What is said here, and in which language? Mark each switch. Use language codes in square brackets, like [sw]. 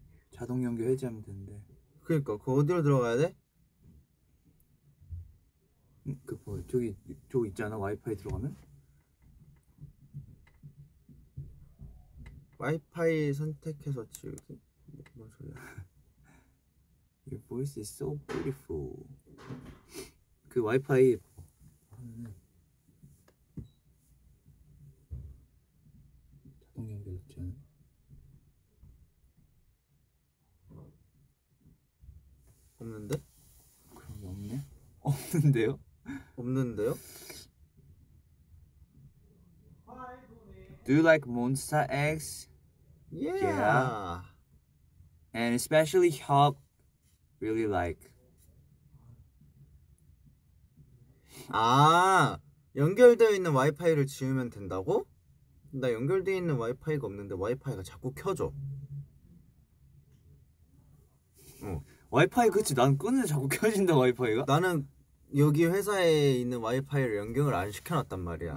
[ko] 자동 연결 해제하면 되는데. 그러니까 그 어디로 들어가야 돼? 그 뭐 저기 있잖아 와이파이 들어가면. 와이파이 선택해서 지우기? 뭔 소리야? [en] Your voice is so beautiful. [ko] 그 와이파이 자동 연결했지 않아? 없는데? 그런 게 없네? 없는데요? 없는데요? [en] Do you like Monster X? Yeah. And especially Hulk really like. [ko] 아, 연결되어 있는 와이파이를 지우면 된다고? 나 연결되어 있는 와이파이가 없는데 와이파이가 자꾸 켜져. 어. 와이파이 그렇지. 난 끊는데 자꾸 켜진다 와이파이가. 나는 여기 회사에 있는 와이파이를 연결을 안 시켜 놨단 말이야.